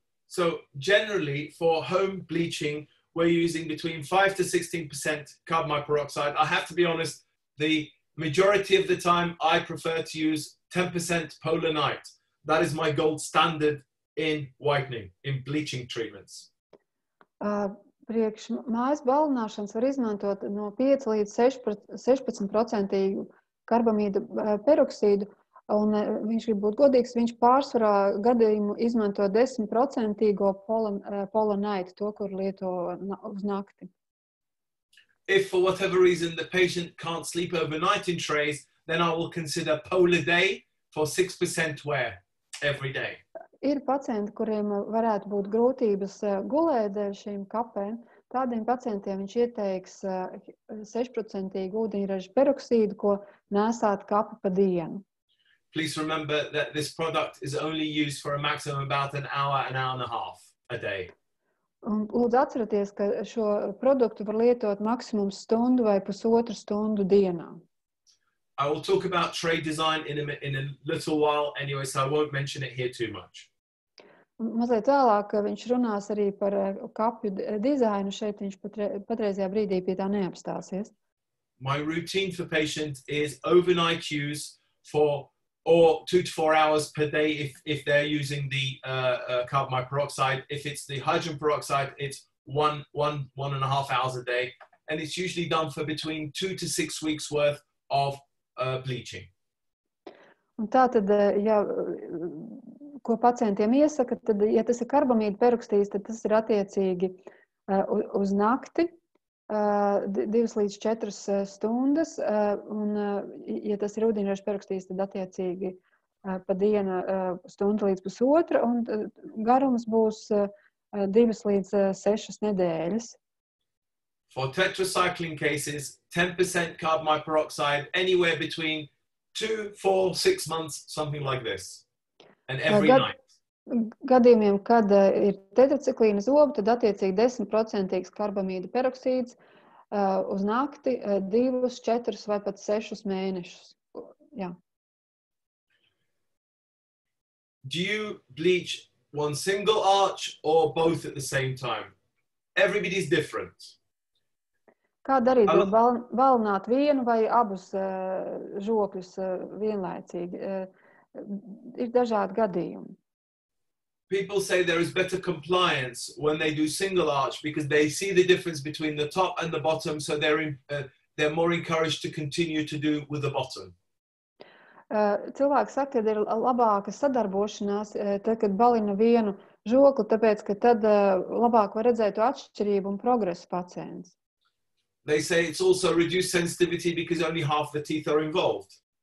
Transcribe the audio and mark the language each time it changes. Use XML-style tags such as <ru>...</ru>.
<en>So generally for home bleaching, we're using between 5 to 16% carbamide peroxide. I have to be honest, the majority of the time I prefer to use 10% polonite. That is my gold standard in whitening, in bleaching treatments.</en> <lv>Priekš mājas balināšanas var izmantot no 5 līdz 16% karbamīda peroksīdu. Un viņš grib būt godīgs, viņš pārsvarā gadījumu izmanto 10% polonite, to, kur lieto uz nakti.</lv> <en>If for whatever reason the patient can't sleep overnight in trays, then I will consider pola day for 6% wear every day.</en> <lv>Ir pacienti, kuriem varētu būt grūtības gulēt šīm kapēm, tādiem pacientiem viņš ieteiks 6% ūdeņraža peroksīdu, ko nēsāt kapu pa dienu.</lv> <en>Please remember that this product is only used for a maximum about an hour and a half a day.</en> <lv>Lūdzu atcerieties, ka šo produktu var lietot maksimums stundu vai pusotru stundu dienā.</lv> <en>I will talk about tray design in a little while anyway, so I won't mention it here too much.</en> <lv>Mazliet vēlāk, ka viņš runās arī par kapju dizainu, šeit viņš patreizajā brīdī pie tā neapstāsies.</lv> <en>My routine for patients is overnight use for or 2 to 4 hours per day if they're using the carbamide peroxide. If it's the hydrogen peroxide, it's one and a half hours a day. And it's usually done for between 2 to 6 weeks worth of bleaching.</en> <lv>Un tātad, ja, ko pacientiem iesaka, tad, ja tas ir karbamīda peroksīds, tad tas ir attiecīgi uz nakti. 2 līdz 4 stundas, un ja tas ir ūdeņraža peroksīds, tad attiecīgi pa dienu stundu līdz pusotra, un garums būs 2 līdz 6 nedēļas.</lv> <en>For tetracycline cases, 10% carbamide peroxide anywhere between 2, 4, 6 months, something like this, and every night.</en> <lv>Gadījumiem, kad ir tetraciklīna zobu, tad attiecīgi 10% karbamīda peroksīds uz nakti 2, 4 vai pat 6 mēnešus. Jā.</lv> <en>Do you bleach one single arch or both at the same time? Everybody is different.</en> <lv>Kā darīt, balināt vienu vai abus žokļus vienlaicīgi? Ir dažādi gadījumi.</lv> <en>People say there is better compliance when they do single arch because they see the difference between the top and the bottom, so they're more encouraged to continue to do with the bottom.</en> <lv>Cilvēks saka, ka ir labāka sadarbošanās, tad, kad balina vienu žokli, tāpēc, ka tad labāk var redzēt to atšķirību un progresu pacients.</lv> <en>They say it's also reduced sensitivity because only half the teeth are involved.</en>